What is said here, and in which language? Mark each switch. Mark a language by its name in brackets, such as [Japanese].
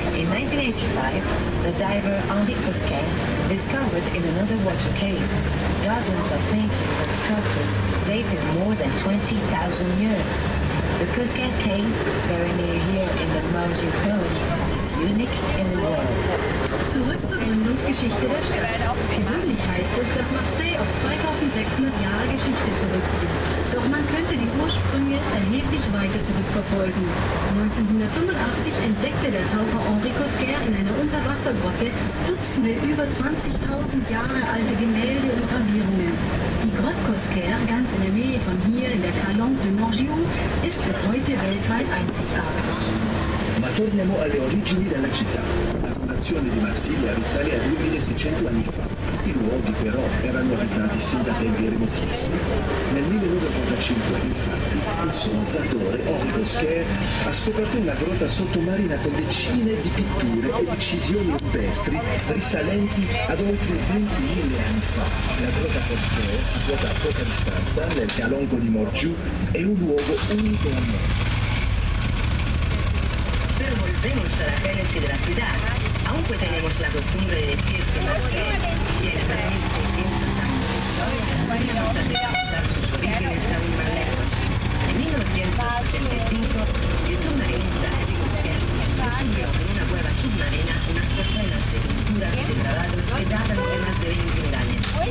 [English] In 1985, the diver Henri Cosquet discovered in an underwater cave dozens of paintings and sculptures dated more than 20,000 years. The Cosquet cave, very near here in the Mouge Cone, is unique in the world. [German] Zurück zur Gründungsgeschichte der Stadt. Gewöhnlich heißt es, dass Marseille auf 2600 Jahre Geschichte zurückgeht. Doch man könnte die Ursprünge erheblich weiter zurückverfolgen. 1985 entdeckte der Taucher Henri Cosquet in einer Unterwassergrotte Dutzende über 20.000 Jahre alte Gemälde und Gravierungen. Die Grotte Cosquet, ganz in der Nähe von hier in der Calanque de Morgiou, ist bis heute weltweit einzigartig. [Italian] Ma torniamo alle origini della città. La situazione di Marsiglia risale a 2600 anni fa. I luoghi però erano abitati sin da tempi remotissimi. Nel 1985, infatti, il sommozzatore Henri Cosquet ha scoperto una grotta sottomarina con decine di pitture e incisioni rupestri risalenti ad oltre 20.000 anni fa. La grotta Cosquet, situata a poca distanza, nel Calongo di Morgiou, è un luogo unico al mondo. [Spanish] Volvemos a la génesis de la ciudad, aunque tenemos la costumbre de decir que Marseille tiene 2600 años de historia, vamos a remontar sus orígenes aún más lejos. En 1985, el submarinista Henri Cosquet descubrió en una cueva submarina unas docenas de pinturas y de grabados que datan de más de 20.000 años.